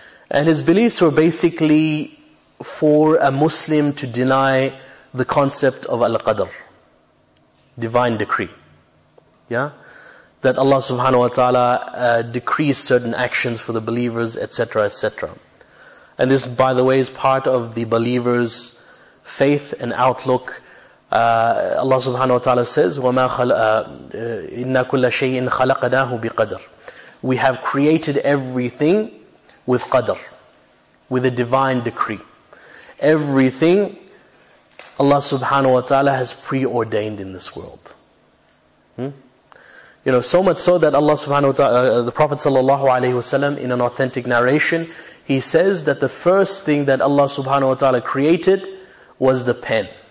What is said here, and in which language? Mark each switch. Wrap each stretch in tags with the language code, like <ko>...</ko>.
<en>And his beliefs were basically for a Muslim to deny the concept of al-Qadr, divine decree. Yeah, that Allah subhanahu wa ta'ala decrees certain actions for the believers, etc., etc. And this, by the way, is part of the believer's faith and outlook. Allah subhanahu wa ta'ala says,</en> <ar>وَمَا إِنَّا كُلَّ شَيْءٍ خَلَقَنَاهُ بِقَدْرٍ.</ar> <en>We have created everything with qadr, with a divine decree. Everything Allah subhanahu wa ta'ala has preordained in this world. You know, so much so that Allah subhanahu wa ta'ala, the Prophet sallallahu alayhi wa sallam, in an authentic narration, he says that the first thing that Allah subhanahu wa ta'ala created was the pen.</en>